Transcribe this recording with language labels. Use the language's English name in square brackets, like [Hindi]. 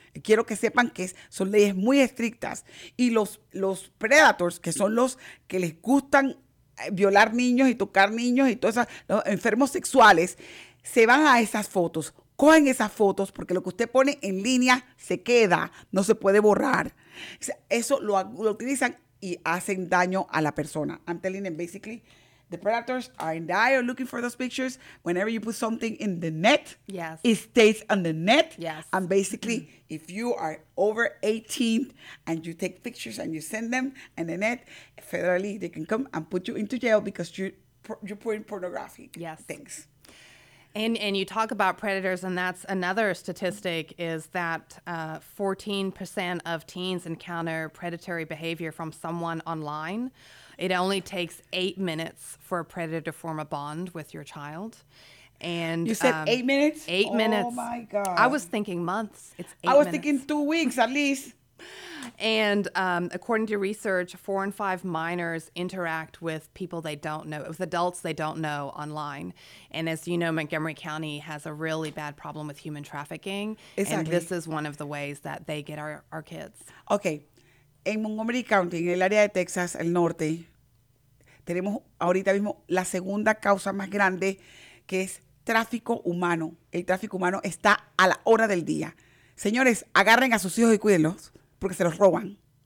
[Spanish] Quiero que sepan que son leyes muy estrictas. Y los predators, que son los que les gustan violar niños y tocar niños y todos los enfermos sexuales, se van a esas fotos, cogen esas fotos, porque lo que usted pone en línea se queda, no se puede borrar. Eso lo utilizan y hacen daño a la persona. [English] I'm telling them, basically, the predators are in the eye or looking for those pictures. Whenever you put something in the net, yes, it stays on the net. Yes. And basically, if you are over 18 and you take pictures and you send them in the net, federally, they can come and put you into jail because you're putting pornography. Yes. Things. And you talk about predators, and that's another statistic, is that 14% of teens encounter predatory behavior from someone online. It only takes 8 minutes for a predator to form a bond with your child. And you said 8 minutes? Eight oh minutes. Oh, my God. I was thinking months. It's 8 minutes. I was minutes. Thinking 2 weeks at least. And according to research, 4 in 5 minors interact with people they don't know, with adults they don't know online. And as you know, Montgomery County has a really bad problem with human trafficking. Exactly. And this is one of the ways that they get our kids. Okay. [Spanish] En Montgomery County, en el área de Texas, el norte, tenemos ahorita mismo la segunda causa más grande, que es tráfico humano. El tráfico humano está a la hora del día. Señores, agarren a sus hijos y cuídenlos, porque se los roban.